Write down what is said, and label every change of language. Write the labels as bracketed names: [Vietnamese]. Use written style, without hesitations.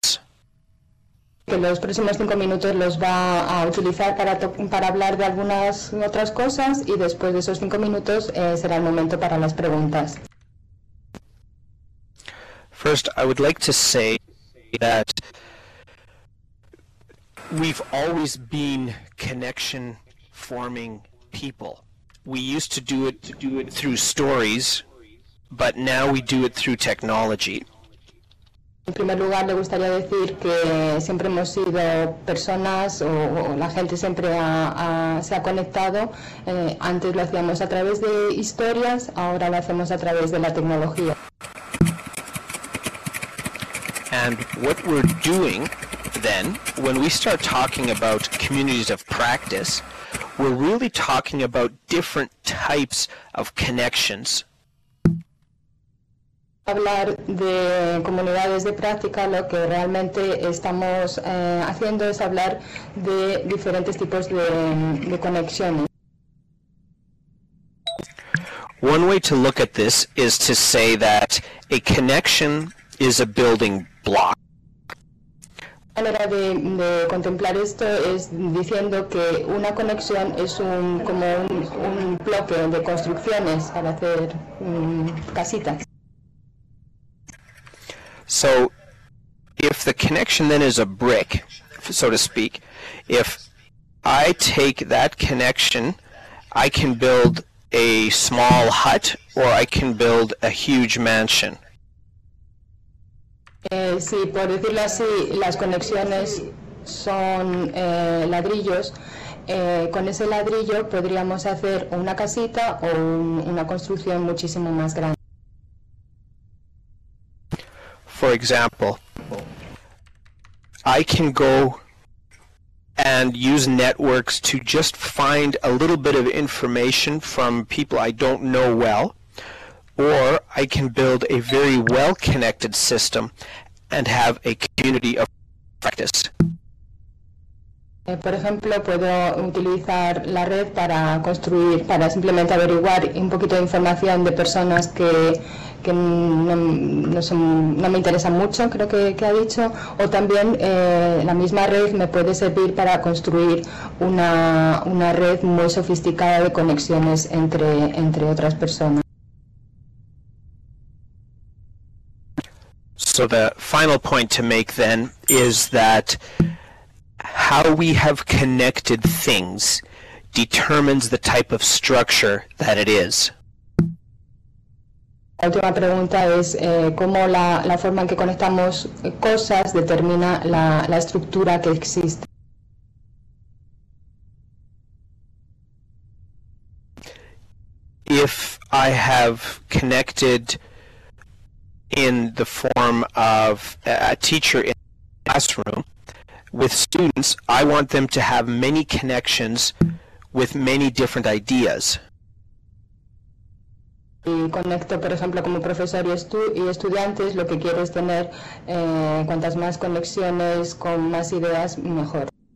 [Spanish] que los próximos 5 minutos los va a utilizar para hablar de algunas otras cosas y después de esos 5 minutos será el momento para las preguntas. [English] First, I would like to say that we've always been connection forming people. We used to do it through stories, but now we do it through technology. [Spanish] En primer lugar, le gustaría decir que siempre hemos sido personas o la gente siempre se ha conectado. Antes lo hacíamos a través de historias, ahora lo hacemos a través de la tecnología. [English] And what we're doing then, when we start talking about communities of practice, we're really talking about different types of connections. [Spanish] Hablar de comunidades de práctica, lo que realmente estamos haciendo es hablar de diferentes tipos de conexiones. [English] One way to look at this is to say that a connection is a building block. [Spanish] Una manera de contemplar esto es diciendo que una conexión es como un bloque de construcciones para hacer casitas. [English] So if the connection then is a brick, so to speak, if I take that connection, I can build a small hut or I can build a huge mansion. [Spanish] Si por decirlo así, las conexiones son ladrillos, con ese ladrillo podríamos hacer una casita o una construcción muchísimo más grande. [English] For example, I can go and use networks to just find a little bit of information from people I don't know well, or I can build a very well-connected system and have a community of practice. [Spanish] Por ejemplo, puedo utilizar la red para construir, para simplemente averiguar un poquito de información de personas que no me interesan mucho, creo que ha dicho, o también la misma red me puede servir para construir una red muy sofisticada de conexiones entre otras personas. [English] So the final point to make then is that how we have connected things determines the type of structure that it is. [Spanish] La última pregunta es cómo la forma en que conectamos cosas determina la estructura que existe. [English] If I have connected in the form of a teacher in the classroom with students, I want them to have many connections with many different ideas. [Spanish] Y conecto, por ejemplo, como profesor y estudiantes, lo que quiero es tener cuantas más conexiones con más ideas, mejor.